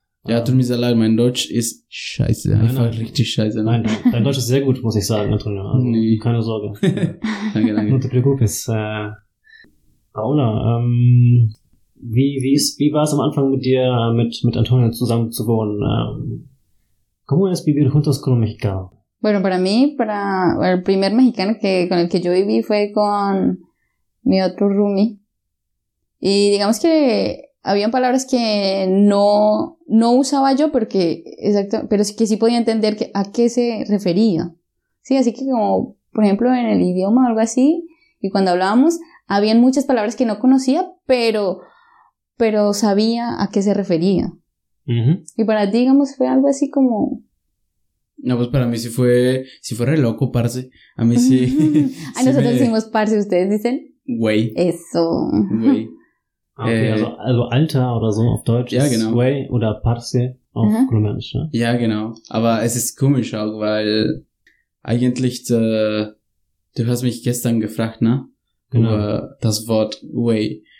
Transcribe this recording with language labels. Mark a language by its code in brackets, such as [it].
[de] Ja, tut mir sehr leid, mein Deutsch ist scheiße. Einfach richtig scheiße. Nein, dein Deutsch ist sehr gut, muss ich sagen, Antonio. Also, keine Sorge. danke. Nur du Glück bist. Paola, Wie war es am Anfang mit dir, mit Antonio zusammen zu wohnen? [es] ¿Cómo es vivir juntos con un mexicano? Bueno, para mí, para el primer mexicano con el que yo viví fue con mi otro roomie. Y digamos que habían palabras que no usaba yo porque, exacto, pero sí que sí podía entender a qué se refería. Sí, así que como, por ejemplo, en el idioma o algo así, y cuando hablábamos, habían muchas palabras que no conocía, pero sabía a qué se refería. Uh-huh. Y para ti, digamos, fue algo así como... No, pues para mí sí fue re loco, parce. A mí sí... A nosotros decimos parce, ¿ustedes dicen? Güey. Eso. Güey. [de] Okay, also alter oder so auf Deutsch. Ja, genau. Güey oder parce auf Kolumbianisch, ne? Ja, genau. Aber es ist komisch auch, weil eigentlich, du hast mich gestern gefragt, ne? Genau. Über das Wort güey.